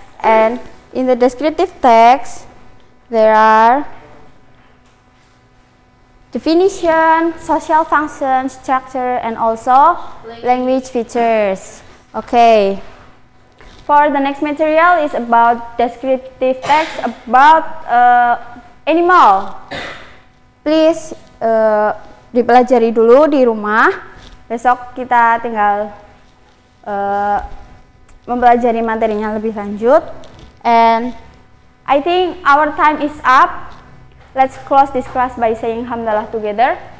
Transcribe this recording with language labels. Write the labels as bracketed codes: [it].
[en] And in the descriptive text, there are definition, social function, structure, and also language features. Okay. For the next material, it's about descriptive text about animal. [id] Please dipelajari dulu di rumah. Besok kita tinggal mempelajari materinya lebih lanjut. [en] And I think our time is up. Let's close this class by saying hamdalah together.